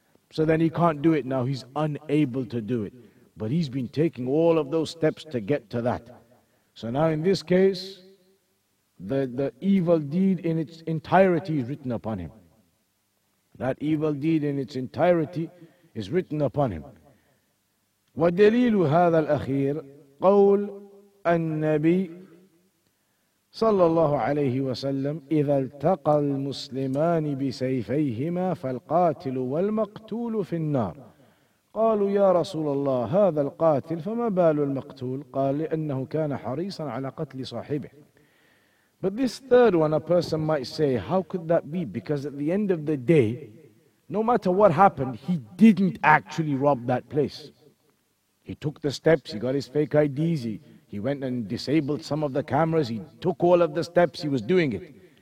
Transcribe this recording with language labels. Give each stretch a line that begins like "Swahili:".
English: So then he can't do it now. He's unable to do it. But he's been taking all of those steps to get to that. So now in this case, the evil deed in its entirety is written upon him. That evil deed in its entirety is written upon him.
Arabic: ودليل هذا الأخير قول النبي صلى الله عليه وسلم إذا التقى المسلمان بسيفيهما فالقاتل والمقتول في النار. قالوا يا رسول الله هذا القاتل فما بال المقتول؟ قال لأنه كان حريصا على قتل صاحبه.
English: But this third one, a person might say, how could that be? Because at the end of the day, no matter what happened, he didn't actually rob that place. He took the steps, he got his fake IDs, he went and disabled some of the cameras, he took all of the steps, he was doing it.